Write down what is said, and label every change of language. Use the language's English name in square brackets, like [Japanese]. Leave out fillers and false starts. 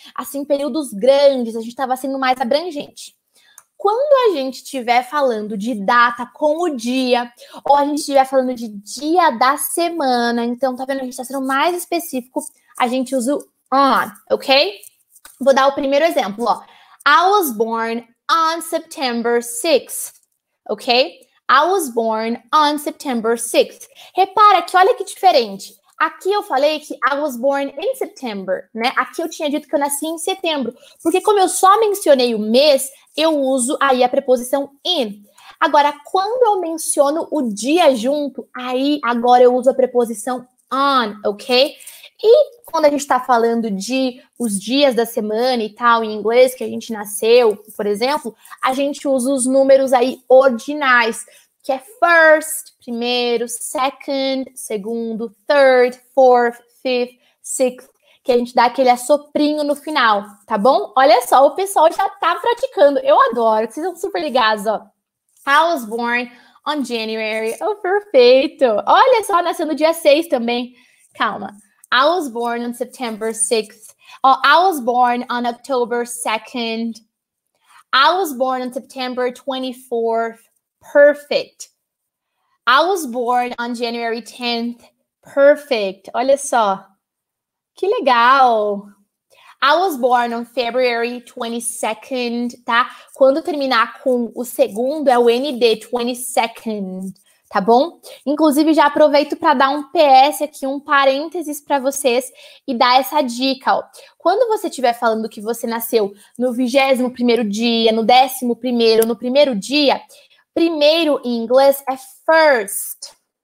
[Portuguese] Assim, períodos grandes, a gente estava sendo mais abrangente. Quando a gente estiver falando de data com o dia, ou a gente estiver falando de dia da semana, então tá vendo, a gente está sendo mais específico, a gente usa o on, ok? Vou dar o primeiro exemplo, ó. [English] I was born on September 6th. Ok? I was born on September 6th. [Portuguese] Repara que olha que diferente. Aqui eu falei que [English] I was born in September, [Portuguese] né? Aqui eu tinha dito que eu nasci em setembro. Porque como eu só mencionei o mês, eu uso aí a preposição in. Agora, quando eu menciono o dia junto, aí agora eu uso a preposição on, ok? E quando a gente está falando de os dias da semana e tal, em inglês, que a gente nasceu, por exemplo, a gente usa os números aí ordinais, que é first, primeiro, second, segundo, third, fourth, fifth, sixth, que a gente dá aquele assoprinho no final, tá bom? Olha só, o pessoal já tá praticando. Eu adoro, vocês são super ligados, ó. [English] I was born on January. Oh, perfeito! [Portuguese] Olha só, nasceu no dia 6 também. Calma. [English] I was born on September 6th. Oh, I was born on October 2nd. I was born on September 24th. Perfect. I was born on January 10th. Perfect. [Portuguese] Olha só. Que legal. [English] I was born on February 22nd, tá? [Portuguese] Quando terminar com o segundo, é o ND, 22nd. Tá bom? Inclusive, já aproveito para dar um PS aqui, um parênteses para vocês e dar essa dica, ó. Quando você estiver falando que você nasceu no 21º dia, no 11º, no primeiro dia, primeiro em inglês é first.